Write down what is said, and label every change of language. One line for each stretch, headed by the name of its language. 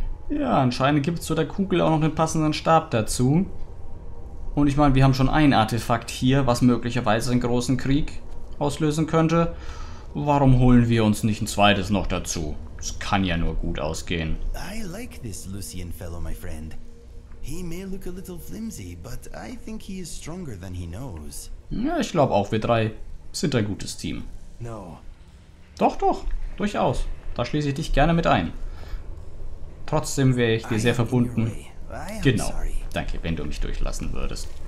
German: Ja, anscheinend gibt es zu der Kugel auch noch den passenden Stab dazu. Und ich meine, wir haben schon ein Artefakt hier, was möglicherweise einen großen Krieg auslösen könnte. Warum holen wir uns nicht ein zweites noch dazu? Es kann ja nur gut ausgehen.
English: I like this Lucian fellow, my friend. He may look a little flimsy, but I think he is stronger than he knows.
German: Ja, ich glaube auch, wir drei sind ein gutes Team.
English: No.
German: Doch, doch, durchaus. Da schließe ich dich gerne mit ein. Trotzdem wäre ich dir sehr verbunden. Genau. Danke, wenn du mich durchlassen würdest.